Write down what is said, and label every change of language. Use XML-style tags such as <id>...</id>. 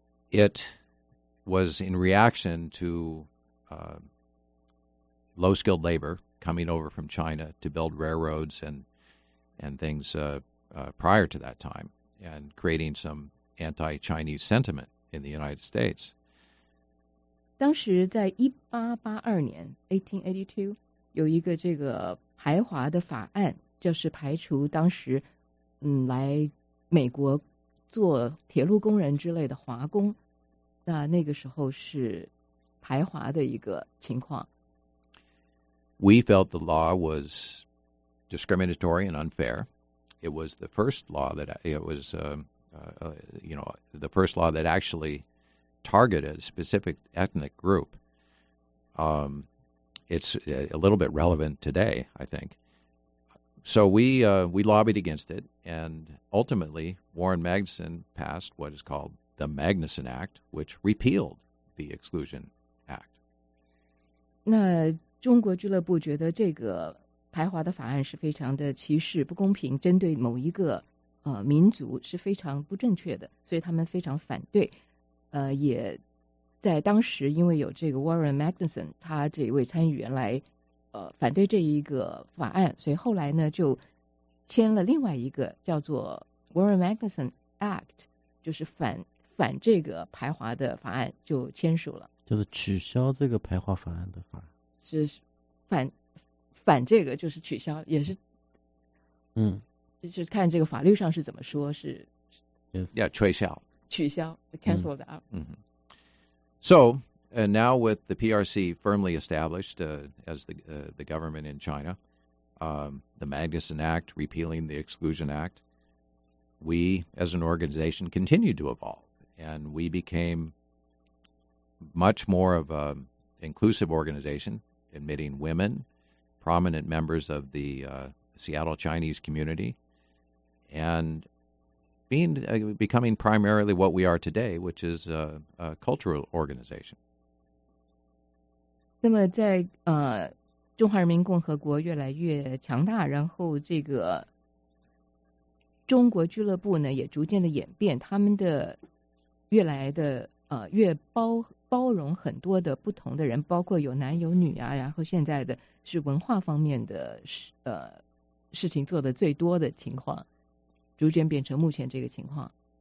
<en>It was in reaction to low-skilled labor coming over from China to build railroads and things prior to that time, and creating some anti-Chinese sentiment in the United States.</en> <zh>当时在1882年 1882, 有一个这个排华的法案，就是排除当时来美国做铁路工人之类的华工，那个时候是排华的一个情况。</zh> <en>We felt the law was discriminatory and unfair. It was the first law that actually targeted a specific ethnic group. It's a little bit relevant today, I think. So we lobbied against it, and ultimately Warren Magnuson passed what is called the Magnuson Act, which repealed the Exclusion Act.</en> <zh>那中国俱乐部觉得这个排华的法案是非常的歧视、不公平，针对某一个民族是非常不正确的，所以他们非常反对。也在当时，因为有这个 Warren Magnuson 他这一位参议员来反对这一个法案，所以后来呢就签了另外一个叫做 Warren Magnuson Act， 就是反这个排华的法案，就签署了，就是取消这个排华法案的法案。是反这个，就是取消，也是就是看这个法律上是怎么说，是要吹笑取消</zh> <en>cancel it out。 So and now with the PRC firmly established as the government in China, the Magnuson Act repealing the Exclusion Act, we as an organization continued to evolve, and we became much more of a inclusive organization, admitting women, prominent members of the Seattle Chinese community, and becoming primarily what we are today, which is a cultural organization.</en> <zh>那么在中华人民共和国越来越强大，然后这个中国俱乐部呢也逐渐的演变，他们的越来的越包容很多的不同的人，包括有男有女啊，然后现在的是文化方面的事情做的最多的情况，逐渐变成目前这个情况。</zh>